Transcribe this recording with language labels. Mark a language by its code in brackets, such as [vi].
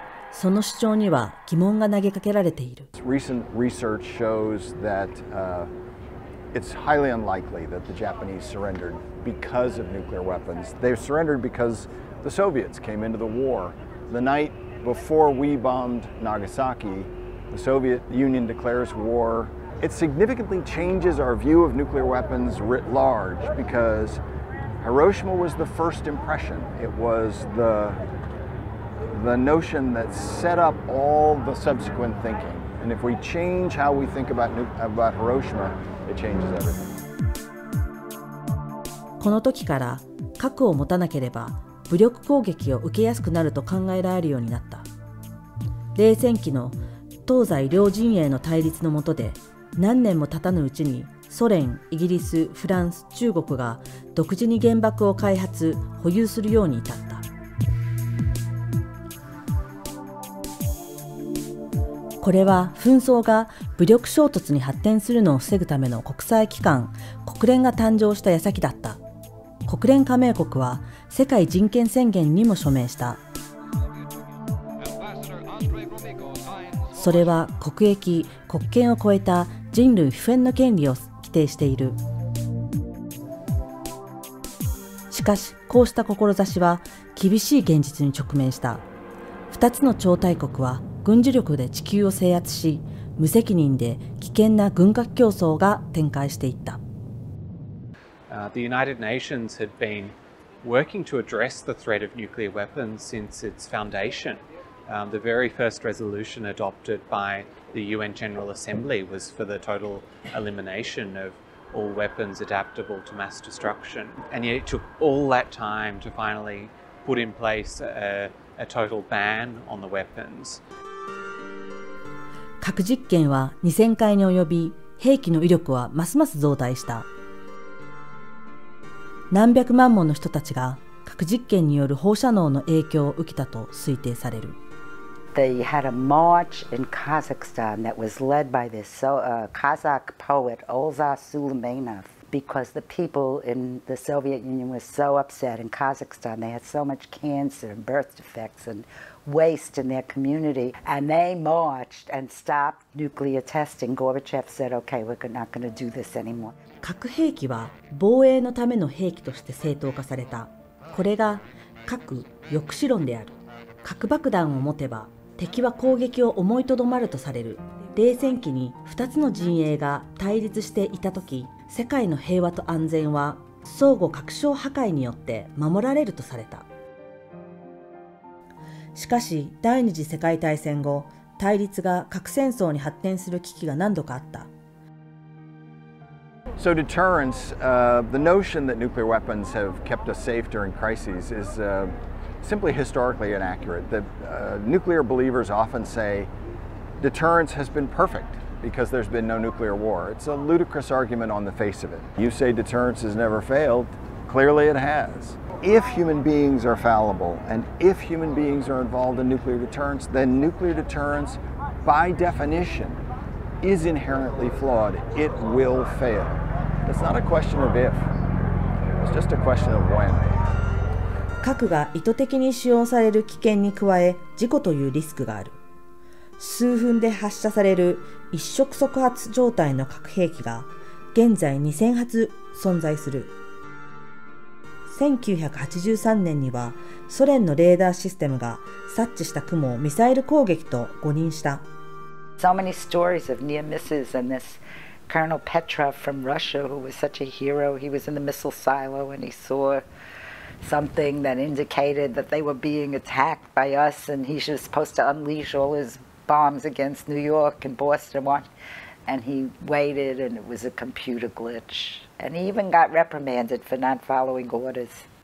[ja] その主張には疑問が投げかけられている。 [en] Recent research shows that it's highly unlikely that the Japanese surrendered because of nuclear weapons. They surrendered because the Soviets came into the war. The night before we bombed Nagasaki, the Soviet Union declares war. It significantly changes our view of nuclear weapons writ large because Hiroshima was the first impression. It was the notion that set up all the subsequent thinking. And if we change how we think about Hiroshima, it changes everything. [ja] この時から核を持たなければ武力攻撃を受けやすくなると考えられるようになった。冷戦期の東西両陣営の対立の下で何年も経たぬうちにソ連、イギリス、フランス、中国が独自に原爆を開発、保有するように至った。これは紛争が武力衝突に発展するのを防ぐための国際機関、国連が誕生した矢先だった。国連加盟国は世界人権宣言にも署名した。それは国益、国権を超えた人類普遍の権利を規定している。しかし、こうした志は厳しい現実に直面した。 2つの超大国は軍事力で地球を制圧し、無責任で危険な軍拡競争が展開していった。 [en] The United Nations had been working to address the threat of nuclear weapons since its foundation. The very first resolution adopted by the UN General Assembly was for the total elimination of all weapons adaptable to mass destruction. And yet it took all that time to finally put in place a total ban on the weapons. [ja] 核実験は2000回に及び、兵器の威力はますます増大した。何百万もの人たちが核実験による放射能の影響を受けたと推定される。 [en] They had a march in Kazakhstan that was led by this Kazakh poet Olzar Suleymanov. Because the people in the Soviet Union were so upset in Kazakhstan, they had so much cancer and birth defects and waste in their community. And they marched and stopped nuclear testing. Gorbachev said, okay, we're not going to do this anymore. [ja] 核兵器は防衛のための兵器として正当化された。これが核抑止論である。核爆弾を持てば敵は攻撃を思いとどまるとされる。冷戦期に2つの陣営が対立していた時、世界の平和と安全は相互核張破壊によって守られるとされた。しかし第二次世界大戦後、対立が核戦争に発展する危機が何度かあった。 [en] So deterrence, the notion that nuclear weapons have kept us safe during crises is simply historically inaccurate. The nuclear believers often say deterrence has been perfect because there's been no nuclear war. It's a ludicrous argument on the face of it. You say deterrence has never failed, clearly it has. If human beings are fallible and if human beings are involved in nuclear deterrence, then nuclear deterrence by definition is inherently flawed. It will fail. It's not a question of if, it's just a question of when. [ja] 核が意図的に使用される危険に加え、事故というリスクがある。数分で発射される一触即発状態の核兵器が現在2000発存在する。 1983年にはソ連のレーダーシステムが察知した雲をミサイル攻撃と誤認した。 [en] So many stories of near misses and this Colonel Petrov from Russia who was such a hero, he was in the missile silo and he saw something that indicated that they were being attacked by us and he was supposed to unleash all his bombs against New York and Boston and he waited and it was a computer glitch and he even got reprimanded for not following orders.